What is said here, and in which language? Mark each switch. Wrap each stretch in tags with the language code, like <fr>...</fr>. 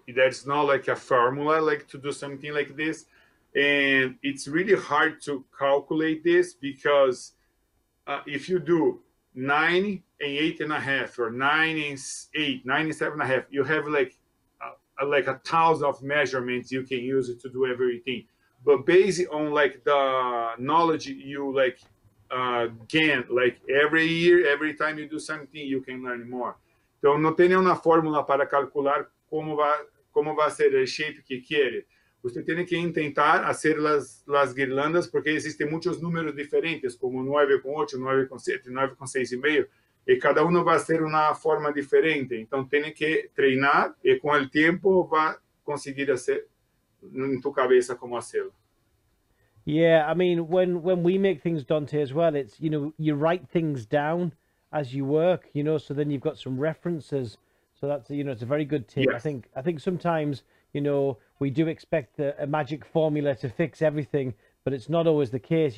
<en>That's not like a formula, like to do something like this. And it's really hard to calculate this because if you do 9 and 8 and a half, or 9 and 8, 9 and 7 and a half, you have like a thousand of measurements you can use it to do everything. But based on like the knowledge you like gain, like every year, every time you do something, you can learn more.</en> <pt>Então, não tem nenhuma fórmula para calcular como vai ser a shape que quer. Você tem que tentar fazer as guirlandas, porque existem muitos números diferentes, como 9 com 8, 9 com 7, 9 com 6 e meio. E cada um vai ser uma forma diferente. Então, tem que treinar e com o tempo vai conseguir fazer em tua cabeça como fazê-lo.</pt> <en>Yeah, I mean, when we make things, Dante, as well, it's, you know, you write things down as you work, you know, so then you've got some references. So that's, you know, it's a very good tip. Yes. I think sometimes, you know, we do expect a magic formula to fix everything, but it's not always the case.</en>